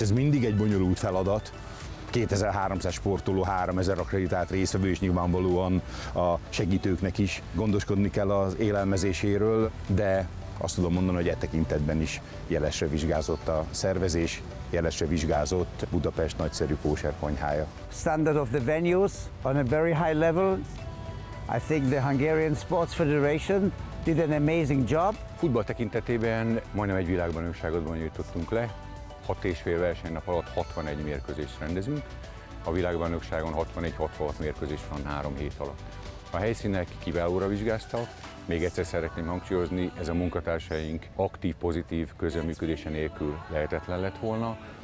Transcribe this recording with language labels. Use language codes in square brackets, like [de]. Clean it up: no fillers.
[hu] Ez mindig egy bonyolult feladat. 2300 sportoló, 3000 akreditált részvevő, és nyilvánvalóan a segítőknek is gondoskodni kell az élelmezéséről, de azt tudom mondani, hogy e tekintetben is jelesre vizsgázott a szervezés, jelesre vizsgázott Budapest nagyszerű kóser konyhája. [en] Standard of the venues on a very high level. I think the Hungarian Sports Federation did an amazing job. [hu] Futball tekintetében majdnem egy világbajnokságot bonyolítottunk le. 6,5 versenynap alatt 61 mérkőzést rendezünk. A világbajnokságon 61-66 mérkőzés van 3 hét alatt. A helyszínek kiválóra vizsgáztak. Még egyszer szeretném hangsúlyozni, ez a munkatársaink aktív, pozitív közreműködése nélkül lehetetlen lett volna.